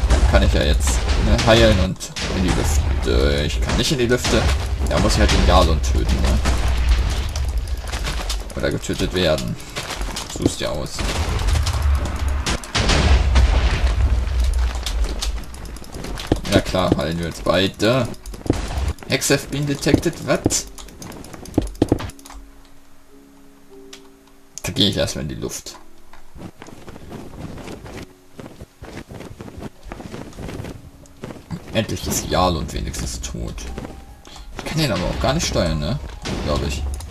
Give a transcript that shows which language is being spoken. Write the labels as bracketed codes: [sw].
[de] Kann ich ja jetzt ne, heilen und in die Lüfte. Ich kann nicht in die Lüfte. Da muss ich halt den Jarlund töten, ne? Oder getötet werden. Such's dir aus. Ja klar, heilen wir jetzt beide. [en] Hex have been detected, what? [de] Da gehe ich erstmal in die Luft. Endlich ist Jarlund wenigstens tot. Ich kann den aber auch gar nicht steuern, ne? Glaube ich.